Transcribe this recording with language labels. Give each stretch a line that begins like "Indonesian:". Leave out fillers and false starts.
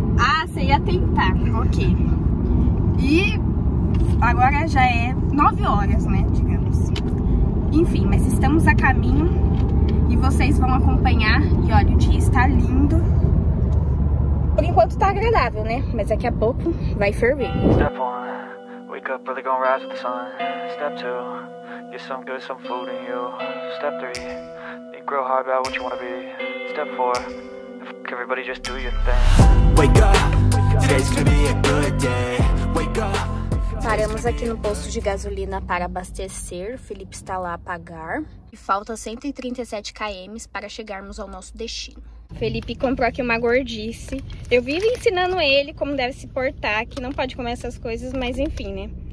Portuguese: Ah, você ia tentar. Ok. E agora já é 9 horas, né? Digamos. Enfim, mas estamos a caminho e vocês vão acompanhar. E olha, o dia está lindo. Por enquanto está agradável, né? Mas daqui a pouco vai ferver.
English: Step 1. Wake up, really gonna rise with the sun. Step 2. Get some good, some food in you. Step 3, think real hard about what you wanna be. Step 4, fuck everybody, just do your thing. Wake up, today's gonna be a good day. Wake up.
Portuguese: Paramos aqui no posto de gasolina para abastecer. O Felipe está lá a pagar. E falta 137 km para chegarmos ao nosso destino. O Felipe comprou aqui uma gordice. Eu vivo ensinando ele como deve se portar, que não pode comer essas coisas, mas enfim, né?